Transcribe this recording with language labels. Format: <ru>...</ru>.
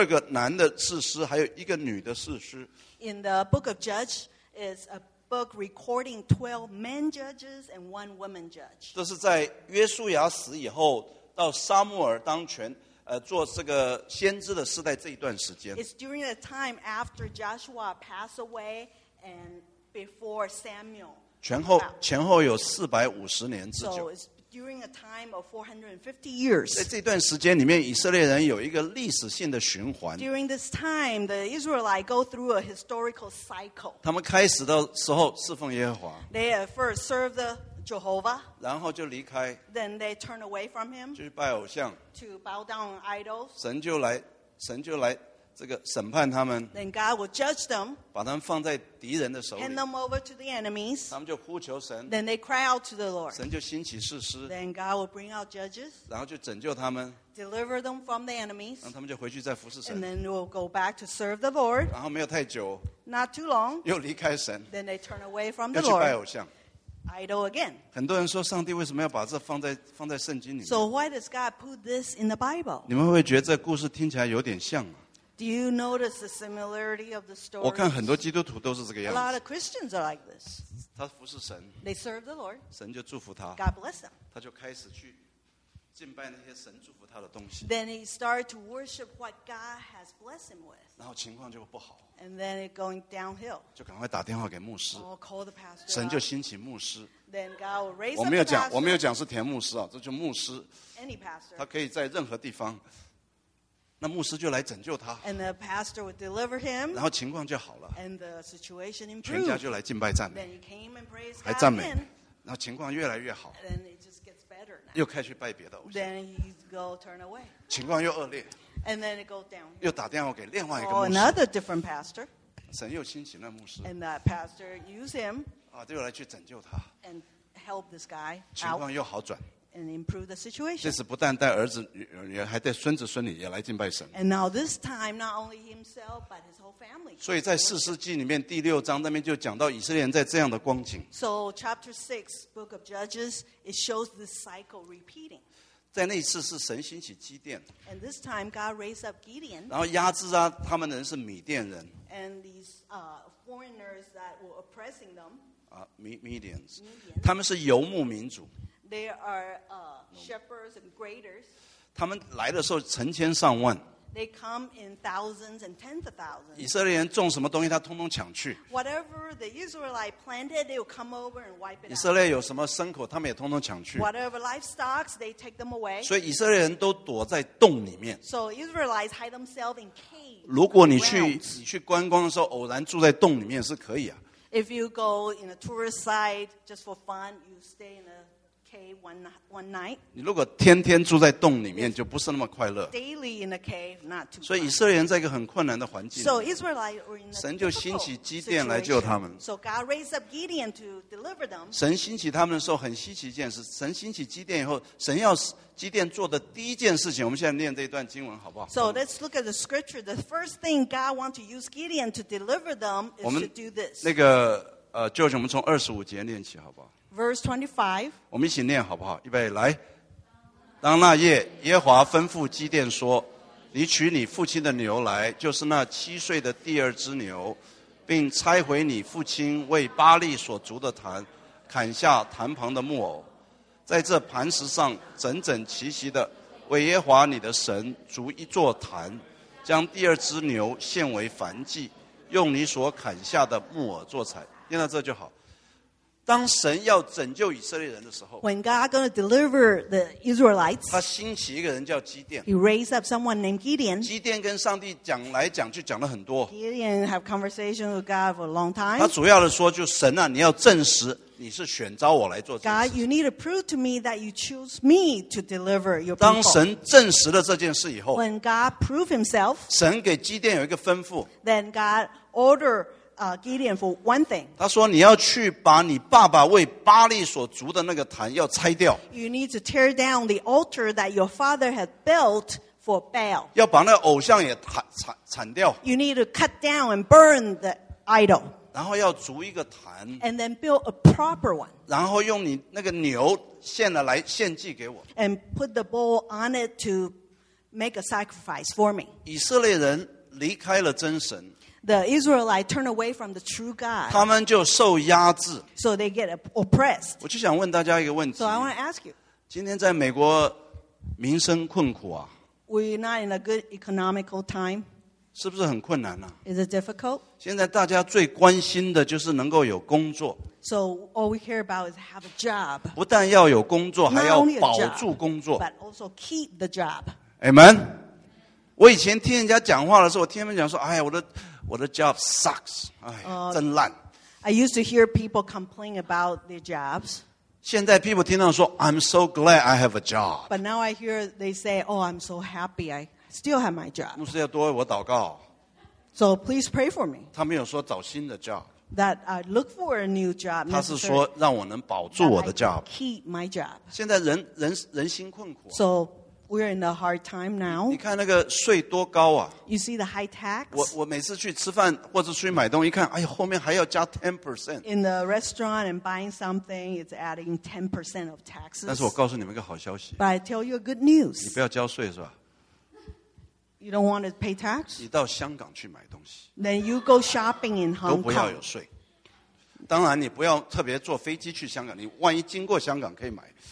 <zh>在士师记是记载的一段以色列人的历史，就是有12个男的士师，还有一个女的士师。</zh> <en>In the book of Judges is a book recording 12 men judges and one woman judge.</en> <zh>这是在约书亚死以后到撒母耳当权，做这个先知的时代这一段时间。</zh> <en>It's during the time after Joshua passed away and before Samuel.</en> <zh>前后有450年之久。</zh> <en>During a time of 450 years.</en> <zh>在这段时间里面, 以色列人有一个历史性的循环。</zh> <en>During this time, the Israelites go through a historical cycle.</en> <zh>他们开始的时候侍奉耶和华。</zh> <en>They at first serve the Jehovah.</en> <zh>然后就离开。</zh> <en>Then they turn away from him.</en> <zh>就是拜偶像。</zh> <en>To bow down idols.</en> <zh>神就来这个审判他们。</zh> <en>Then God will judge them.</en> <zh>把他们放在敌人的手里。</zh> <en>Hand them over to the enemies.</en> <zh>他们就呼求神。</zh> <en>Then they cry out to the Lord.</en> <zh>神就兴起士师。</zh> <en>Then God will bring out judges.</en> <zh>然后就拯救他们。</zh> <en>Deliver them from the enemies.</en> <zh>让他们就回去再服侍神。</zh> <en>And then we'll go back to serve the Lord.</en> <zh>然后没有太久。</zh> <en>Not too long.</en> <zh>又离开神。</zh> <en>Then they turn away from the Lord.</en> <zh>要去拜偶像。</zh> <en>Idol again.</en> <zh>很多人说上帝为什么要把这放在圣经里面。</zh> <en>So why does God put this in the Bible?</en> <zh>你们会觉得这故事听起来有点像吗？</zh> <en>Do you notice the similarity of the story?</en> <zh>我看很多基督徒都是这个样子。</zh> <en>A lot of Christians are like this.</en> <zh>他服侍神。</zh> <en>They serve the Lord.</en> <zh>神就祝福他。</zh> <en>God bless them.</en> <zh>他就开始去敬拜那些神祝福他的东西。</zh> <en>Then he started to worship what God has blessed him with.</en> <zh>然后情况就不好。</zh> <en>And then it going downhill.</en> <zh>就赶快打电话给牧师。</zh> <en>Or call the pastor.</en> <zh>神就兴起牧师。</zh> <en>Then God will raise</en> <zh>我没有讲,</zh> <en>up the pastor.</en> <zh>我没有讲是田牧师啊, 这就牧师。</zh> <en>Any pastor.</en> <zh>他可以在任何地方。那牧师就来拯救他。</zh> <en>And the pastor would deliver him.</en> <zh>然后情况就好了。</zh> <en>And the situation improved.</en> <zh>全家就来敬拜赞美。</zh> <en>Then he came and praised God.</en> <zh>来赞美。然后情况越来越好。</zh> <en>And then it just gets better now.</en> <zh>又开始拜别的偶像。</zh> <en>Then he'd go turn away.</en> <zh>情况又恶劣。</zh> <en>And then it goes down.</en> <zh>又打电话给另外一个牧师。</zh> <en>Or another different pastor.</en> <zh>神又兴起那牧师。</zh> <en>And that pastor used him.</en> <zh>就又来去拯救他。</zh> <en>And help this guy out.</en> <zh>情况又好转。</zh> <en>And improve the situation.</en> <zh>这次不但带儿子也还带孙子孙女也来敬拜神。</zh> <en>And now this time, not only himself, but his whole family.</en> <zh>所以在四世纪里面第六章那边就讲到以色列人在这样的光景。</zh> <en>So chapter 6, book of Judges, it shows this cycle repeating.</en> <zh>在那一次是神兴起基甸。</zh> <en>And this time God raised up Gideon.</en> <zh>然后压制啊他们的人是米甸人。</zh> <en>And these foreigners that were oppressing them.</en> <zh>Midians. 他们是游牧民族。</zh> <en>They are shepherds and graders.</en> <zh>他们来的时候成千上万。</zh> <en>They come in thousands and tens of thousands.</en> <zh>以色列人种什么东西，他通通抢去。</zh> <en>Whatever the Israelite planted, they will come over and wipe it out.</en> <zh>以色列有什么牲口，他们也通通抢去。</zh> <en>Whatever livestock, they take them away.</en> <zh>所以以色列人都躲在洞里面。</zh> <en>So Israelites hide themselves in caves.</en> <zh>如果你去观光的时候，偶然住在洞里面是可以啊。</zh> <en>If you go in a tourist site just for fun, you stay in a</en> <zh>你如果天天住在洞里面，就不是那么快乐。</zh> <en>Daily in a cave, not too.</en> <zh>所以以色列人在一个很困难的环境。</zh> <en>So Israelites were in a difficult.</en> <zh>神就兴起基甸来救他们。</zh> <en>So God raised up Gideon to deliver them.</en> <zh>神兴起他们的时候很稀奇一件事。神兴起基甸以后，神要基甸做的第一件事情，我们现在念这一段经文好不好</zh> <en>？So let's look at the scripture. The first thing God want to use Gideon to deliver them is to do this.</en> <zh>那个George, 我们从二十五节念起好不好？</zh> <en>Verse 25.</en> <zh>我们一起念好不好？预备，来。当那夜，耶和华吩咐基甸说：“你取你父亲的牛来，就是那七岁的第二只牛，并拆毁你父亲为巴利所筑的坛，砍下坛旁的木偶，在这磐石上整整齐齐的为耶和华你的神筑一座坛，将第二只牛献为燔祭，用你所砍下的木偶做柴。” 念到这就好。当神要拯救以色列人的时候</zh> <en>，When God going to deliver the Israelites，</en> <zh>他兴起一个人叫基甸。</zh> <en>He raised up someone named Gideon。</en> <zh>基甸跟上帝讲来讲去讲了很多。</zh> <en>Gideon have conversation with God for a long time。</en> <zh>他主要的说就是神啊，你要证实你是选召我来做。</zh> <en>God， you need to prove to me that you choose me to deliver your people。</en> <zh>当神证实了这件事以后</zh> <en>，When God prove himself，</en> <zh>神给基甸有一个吩咐。</zh> <en>Then God order。 Gideon for one thing.</en> <zh>他说你要去把你爸爸为巴利所筑的那个坛要拆掉。</zh> <en>You need to tear down the altar that your father had built for Baal.</en> <zh>要把那偶像也铲掉。</zh> <en>You need to cut down and burn the idol.</en> <zh>然后要筑一个坛。</zh> <en>And then build a proper one.</en> <zh>然后用你那个牛献了来献祭给我。</zh> <en>And put the bull on it to make a sacrifice for me.</en> <zh>以色列人离开了真神。</zh> <en>The Israelite turn away from the true God.</en> <zh>他们就受压制。</zh> <en>So they get oppressed.</en> <zh>我就想问大家一个问题。</zh> <en>So I want to ask you.</en> <zh>今天在美国民生困苦啊。</zh> <en>We're not in a good economical time.</en> <zh>是不是很困难啊？</zh> <en>Is it difficult?</en> <zh>现在大家最关心的就是能够有工作。</zh> <en>So all we care about is have a job.</en> <zh>不但要有工作，还要保住工作。</zh> <en>But also keep the job.</en> <zh>Amen. 我以前听人家讲话的时候，我听他们讲说，哎呀，我的</zh> <en>job sucks，</en> <zh>哎，真烂。</zh> <en>I used to hear people complain about their jobs。</en> <zh>现在</zh> <en>people</en> <zh>听到说</zh> <en>，I'm so glad I have a job。 But now I hear they say， oh， I'm so happy I still have my job。</en> <zh>牧师要多为我祷告。</zh> <en>So please pray for me。</en> <zh>他没有说找新的 job。</zh> <en>That I look for a new job。</en> <zh>他是说让我能保住我的 job。</zh> <en>Keep my job。</en> <zh>现在人心困苦。</zh> <en>So We're in a hard time now.</en> <zh>你看那个税多高啊</zh> <en>！You see the high tax.</en> <zh>我每次去吃饭或者出去买东西，一看，哎呀，后面还要加 10%.</zh> <en>In the restaurant and buying something, it's adding 10% of taxes.</en> <zh>但是我告诉你们一个好消息。</zh> <en>But I tell you a good news.</en> <zh>你不要交税是吧</zh> <en>？You don't want to pay tax.</en> <zh>你到香港去买东西。</zh> <en>Then you go shopping in Hong Kong.</en> <zh>都不要有税。当然，你不要特别坐飞机去香港，你万一经过香港可以买。</zh>